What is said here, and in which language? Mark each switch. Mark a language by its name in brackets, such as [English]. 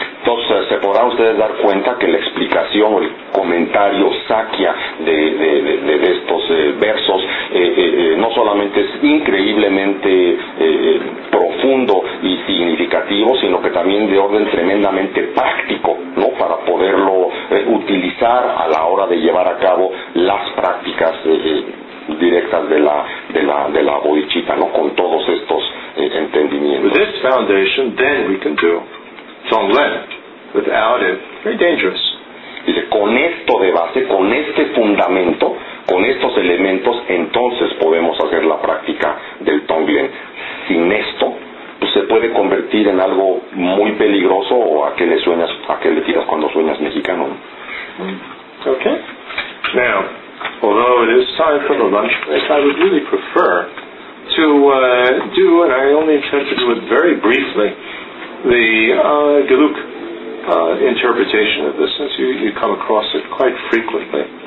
[Spanish] Entonces, se podrán ustedes dar cuenta que la explicación o el comentario Sakya de estos versos no solamente es increíblemente profundo y significativo, sino que también de orden tremendamente práctico, ¿no? Para poderlo utilizar a la hora de llevar a cabo las prácticas directas de la bodichita, ¿no? Con todos estos entendimientos. [English] With this foundation, then we can do Zonglen. Without it, very dangerous. [Spanish] Dice, con esto de base, con este fundamento, con estos elementos, entonces podemos hacer la práctica del Tonglen. Sin esto, pues se puede convertir en algo muy peligroso, o a qué le tiras cuando sueñas mexicano. [English] Okay. Now, although it is time for the lunch break, I would really prefer to do, and I only intend to do it very briefly, the Geluk interpretation of this, since you come across it quite frequently.